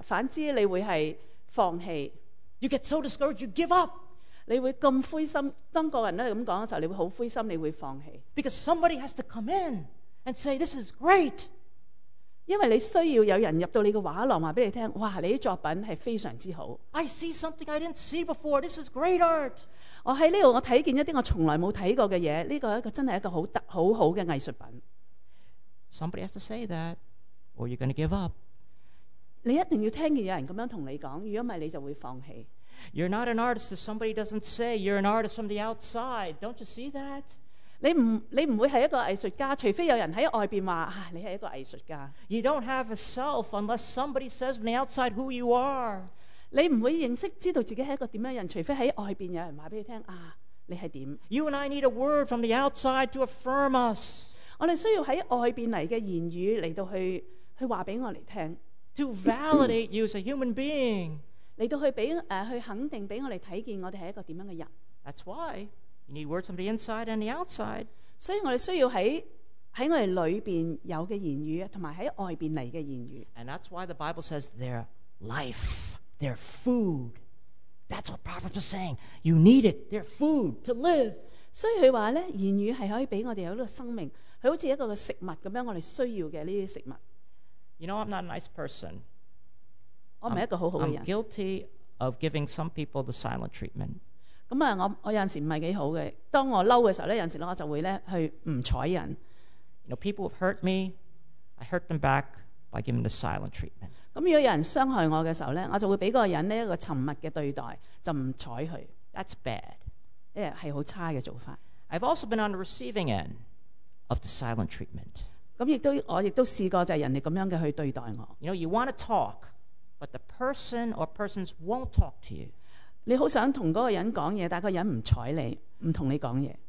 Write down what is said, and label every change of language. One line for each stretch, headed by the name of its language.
Cantonese: 反之，你會係放棄。
English: You get so discouraged, you give up.
Cantonese: 你會咁灰心，當個人都係咁講嘅時候，你會好灰心，你會放棄。
English: Because somebody has to come in and say this is great，
Cantonese: 因為你需要有人入到你嘅畫廊話俾你聽，哇！你啲作品係非常之好。
English: I see something I didn't see before. This is great art。
Cantonese: 我喺呢度我睇見一啲我從來冇睇過嘅嘢，呢個一個真係一個好特好好嘅藝術品。
English: Somebody has to say that, or you're going to give up。
Cantonese: 你一定要聽見有人咁樣同你講，如果唔係你就會放棄。
English: You're not an artist if somebody doesn't say you're an artist from the outside. Don't you see that?
Cantonese: 你唔會係一個藝術家，除非有人喺外邊話啊，你係一個藝術家。
English: You don't have a self unless somebody says from the outside who you are.
Cantonese: 你唔會認識知道自己係一個點樣人，除非喺外邊有人話俾你聽啊，你係點。
English: You and I need a word from the outside to affirm us.
Cantonese: 我哋需要喺外邊嚟嘅言語嚟到去話俾我哋聽
English: ，to validate you as a human being.
Cantonese: 你都去俾去肯定俾我哋睇见我哋系一个点样嘅人。
English: That's why you need words from the inside and the outside。
Cantonese: 所以我哋需要喺我哋里边有嘅言语，同埋喺外边嚟嘅言语。
English: And that's why the Bible says their life, their food. That's what Proverbs is saying. You need it, their food to live。
Cantonese: 所以佢话咧，言语系可以俾我哋有呢个生命，佢好似一个食物咁样，我哋需要嘅呢啲食物。
English: You know, I'm not a nice person. I'm guilty of giving some people the silent treatment.
Cantonese: 咁啊，我有陣時唔係幾好嘅。當我嬲嘅時候咧，有陣時咧我就會咧去唔睬人。
English: You know, people have hurt me. I hurt them back by giving the silent treatment.
Cantonese: 咁如果有人傷害我嘅時候咧，我就會俾嗰個人咧一個沉默嘅對待，就唔睬佢。
English: That's bad.
Cantonese: 誒係好差嘅做法。
English: I've also been on the receiving end of the silent treatment.
Cantonese: 咁亦都我亦都試過就係人哋咁樣嘅去對待我。
English: You know, you want to talk, but the person or persons won't talk to you.
Cantonese: 你好想同嗰個人講嘢，但係個人唔睬你，唔同你講嘢。